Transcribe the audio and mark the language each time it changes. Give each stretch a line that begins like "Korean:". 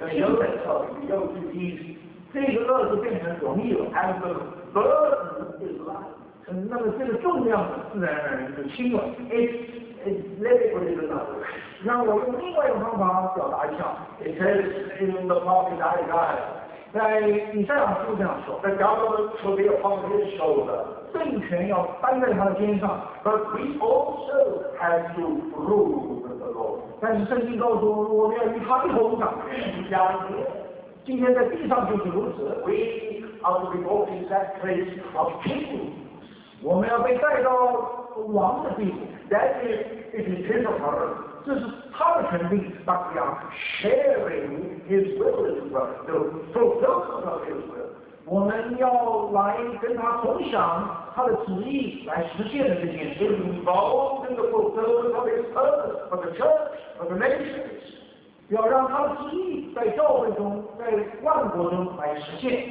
Chinese: 了轻的，比较轻。这个恶就变成容易了。
English: And the burden is light。
Chinese: 那么这个重量呢，自然而然就轻了。
English: It's literally the number。
Chinese: 让我用另外一个方法表达一下。
English: It says in the prophet Isaiah。
Chinese: 在以赛亚书这样说
English: ，The government should be upon his shoulder，
Chinese: 政权要担在他的肩上。
English: But we also have to rule with the Lord。
Chinese: 但是圣经告诉我们，我们要与他一同掌权。今天在地上就是如此。
English: We are to be brought to that place of kings。
Chinese: 我们要被带到王的地。
English: That is his power。
Chinese: 这是他的权柄，那不一样。
English: Sharing his will is the fulfillment of his will。
Chinese: 我们要来跟他同享他的旨意，来实现的这件事。
English: Involved in the fulfillment of his purpose for the church, for the nations。
Chinese: 要让他的旨意在教会中，在万国中来实现。